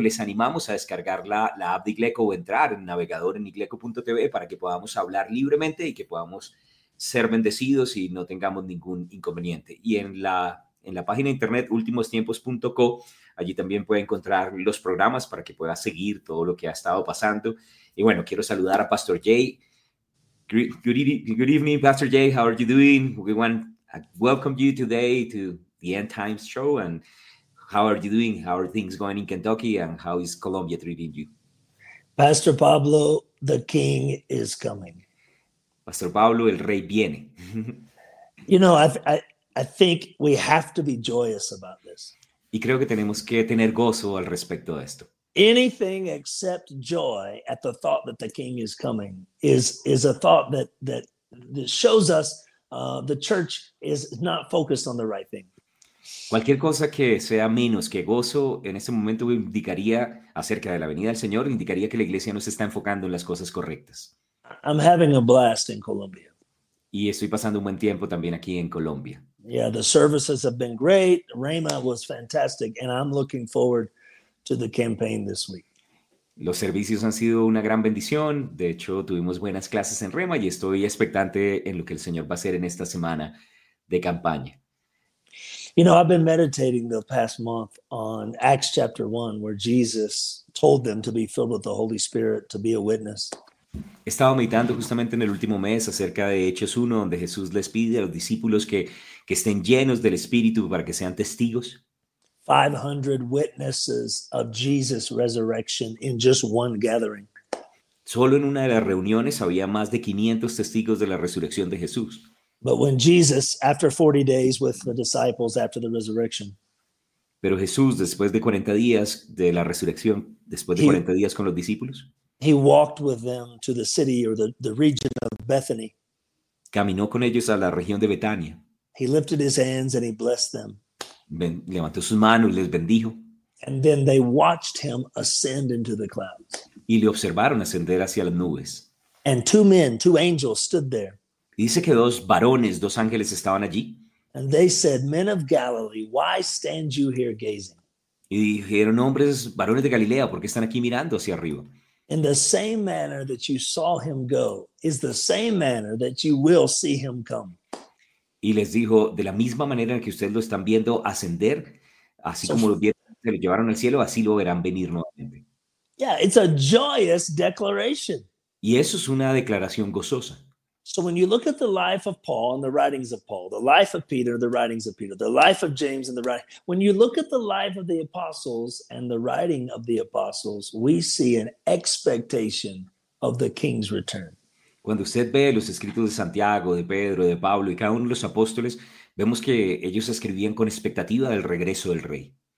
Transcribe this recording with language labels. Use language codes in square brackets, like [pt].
[es] Les animamos a descargar la app de Igleco o entrar en el navegador en igleco.tv para que podamos hablar libremente y que podamos ser bendecidos y no tengamos ningún inconveniente. Y en la página de internet ultimostiempos.co, allí también puede encontrar los programas para que pueda seguir todo lo que ha estado pasando. Y bueno, quiero saludar a Pastor Jay. [en] Good evening, Pastor Jay. How are you doing? We want to welcome you today to the End Times Show. And how are you doing? How are things going in Kentucky? And how is Colombia treating you? Pastor Pablo, the king is coming. [es] Pastor Pablo, el rey viene. [en] You know, I think we have to be joyous about this. [es] Y creo que tenemos que tener gozo al respecto de esto. [en] Anything except joy at the thought that the king is coming is a thought that shows us the church is not focused on the right thing. [es] Cualquier cosa que sea menos que gozo en este momento indicaría acerca de la venida del Señor, indicaría que la iglesia no se está enfocando en las cosas correctas. [en] I'm having a blast in Colombia. [es] Y estoy pasando un buen tiempo también aquí en Colombia. [en] Yeah, the services have been great. Rema was fantastic, and I'm looking forward to the campaign this week. [es] Los servicios han sido una gran bendición. De hecho, tuvimos buenas clases en Rema y estoy expectante en lo que el Señor va a hacer en esta semana de campaña. [en] You know, I've been meditating the past month on Acts chapter 1, where Jesus told them to be filled with the Holy Spirit, to be a witness. [es] He estado meditando justamente en el último mes acerca de Hechos 1, donde Jesús les pide a los discípulos que estén llenos del Espíritu para que sean testigos. [en] 500 witnesses of Jesus' resurrection in just one gathering. [es] Solo en una de las reuniones había más de 500 testigos de la resurrección de Jesús. [en] But when Jesus, after 40 days with the disciples after the resurrection, [es] pero Jesús después de 40 días de la resurrección, después de 40 días con los discípulos, [en] he walked with them to the city or the region of Bethany. [es] Caminó con ellos a la región de Betania. [en] He lifted his hands and he blessed them. [es] Levantó sus manos y les bendijo. [en] And then they watched him ascend into the clouds. [es] Y le observaron ascender hacia las nubes. [en] And two men, two angels, stood there. [es] Y dice que dos varones, dos ángeles estaban allí. [en] And they said, men of Galilee, why stand you here gazing? [es] Y dijeron, hombres, varones de Galilea, ¿por qué están aquí mirando hacia arriba? [en] In the same manner that you saw him go is the same manner that you will see him come. [es] Y les dijo, de la misma manera en que ustedes lo están viendo ascender, así como lo vieron, se lo llevaron al cielo, así lo verán venir nuevamente. [en] Yeah, it's a joyous declaration. [es] Y eso es una declaración gozosa. [en] So when you look at the life of Paul and the writings of Paul, the life of Peter, the writings of Peter, the life of James and the writing, when you look at the life of the apostles and the writing of the apostles, we see an expectation of the king's return. [es] Cuando usted ve los escritos de Santiago, de Pedro, de Pablo y cada uno de los apóstoles, vemos que ellos escribían con expectativa del regreso del rey.